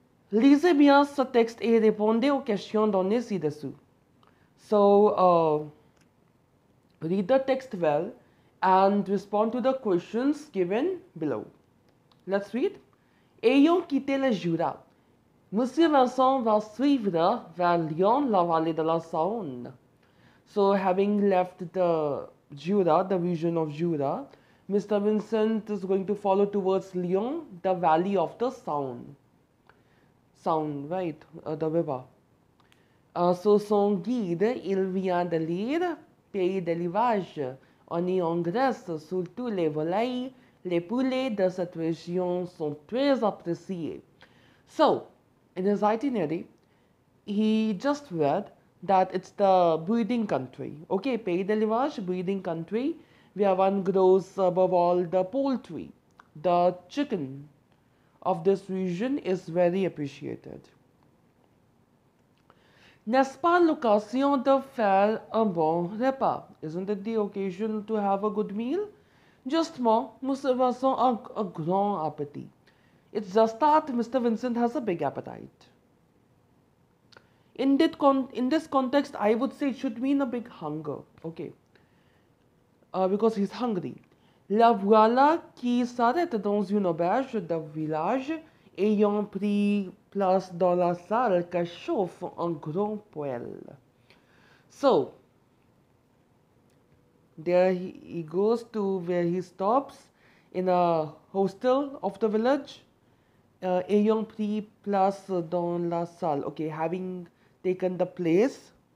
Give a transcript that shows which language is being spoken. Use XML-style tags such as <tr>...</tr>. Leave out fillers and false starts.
<fr>Lisez bien ce texte et répondez aux questions données ci-dessous.</fr> <en>So, read the text well and respond to the questions given below. Let's read.</en> <fr>Ayant quitté le Jura, Monsieur Vincent va suivre vers Lyon la vallée de la Saône.</fr> <en>So, having left the Jura, the region of Jura, Mr. Vincent is going to follow towards Lyon, the valley of the Saône. The river.</en> <fr>So son guide, il vient de lire Pays de l'Ivage. On y engraisse surtout les volailles. Les poulets de cette région sont très appréciés.</fr> <en>So, in his itinerary, he just read that it's the breeding country. Okay, Pays de l'Ivage, breeding country, where one grows above all the poultry. The chicken of this region is very appreciated.</en> <fr>N'est-ce pas l'occasion de faire un bon repas?</fr> <en>Isn't it the occasion to have a good meal?</en> <fr>Justement, Monsieur Vincent a un grand appétit.</fr> <en>It's just that Mr. Vincent has a big appetite. In this context, I would say it should mean a big hunger, okay? Because he's hungry.</en> <fr>La voilà qui s'arrête dans une auberge de village, ayant pris place dans la salle que chauffe un grand poêle.</fr> <en>So, there he goes to where he stops, in a hostel of the village,</en> <fr>ayant pris place dans la salle,</fr> <en>okay, having taken the place.</en>